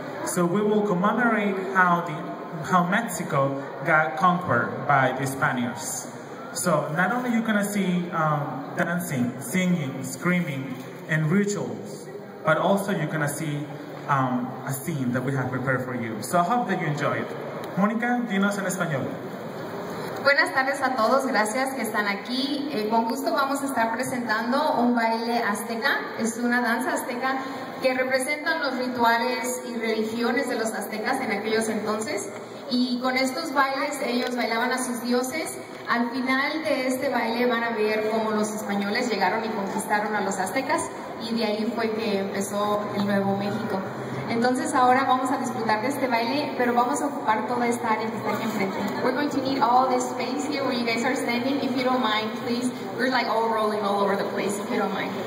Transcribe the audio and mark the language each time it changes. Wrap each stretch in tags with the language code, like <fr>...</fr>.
<en>So we will commemorate how Mexico got conquered by the Spaniards. So not only you're gonna see dancing, singing, screaming, and rituals, but also you're gonna see a theme that we have prepared for you. So I hope that you enjoy it. Mónica,</en> <es>dinos en español. Buenas tardes a todos, gracias que están aquí. Con gusto vamos a estar presentando un baile azteca. Es una danza azteca que representa los rituales y religiones de los aztecas en aquellos entonces. Y con estos bailes ellos bailaban a sus dioses. Al final de este baile van a ver cómo los españoles llegaron y conquistaron a los aztecas. Y de ahí fue que empezó el Nuevo México. Entonces ahora vamos a disfrutar de este baile, pero vamos a ocupar toda esta área que está aquí enfrente.</es> <en>We're going to need all this space here where you guys are standing. If you don't mind, please. We're like all rolling all over the place, if you don't mind.</en>